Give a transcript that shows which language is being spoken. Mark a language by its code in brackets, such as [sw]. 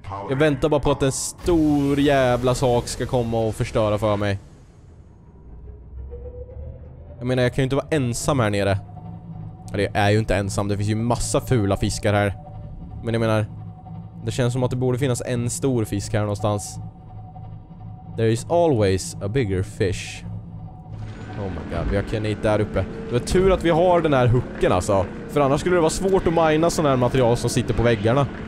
[sv] Jag väntar bara på att en stor jävla sak ska komma och förstöra för mig. Jag menar, jag kan ju inte vara ensam här nere. Eller jag är ju inte ensam, det finns ju massa fula fiskar här. Men jag menar, det känns som att det borde finnas en stor fisk här någonstans. [en] There is always a bigger fish. Oh my god, [sv] vi har kyanit där uppe. Det är tur att vi har den här hooken alltså. För annars skulle det vara svårt att mina sån här material som sitter på väggarna.